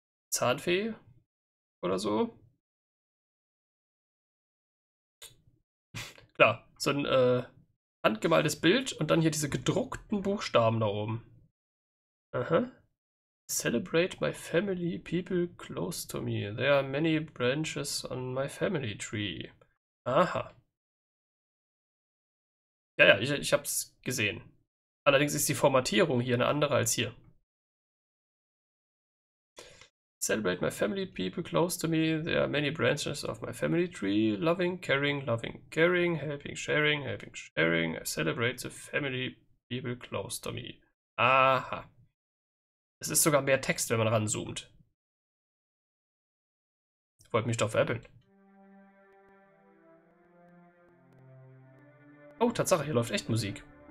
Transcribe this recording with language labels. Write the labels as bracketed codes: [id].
[de] Zahnfee. Oder so. Klar, so ein handgemaltes Bild und dann hier diese gedruckten Buchstaben da oben. [en] Aha. Celebrate my family, people close to me. There are many branches on my family tree. Aha. [de] Ja, ich hab's gesehen. Allerdings ist die Formatierung hier eine andere als hier. [en] Celebrate my family, people close to me. There are many branches of my family tree. Loving, caring, helping, sharing. I celebrate the family, people close to me. Aha. [de] Es ist sogar mehr Text, wenn man ranzoomt. Ich wollte mich doch veräppeln. Oh, Tatsache, hier läuft echt Musik.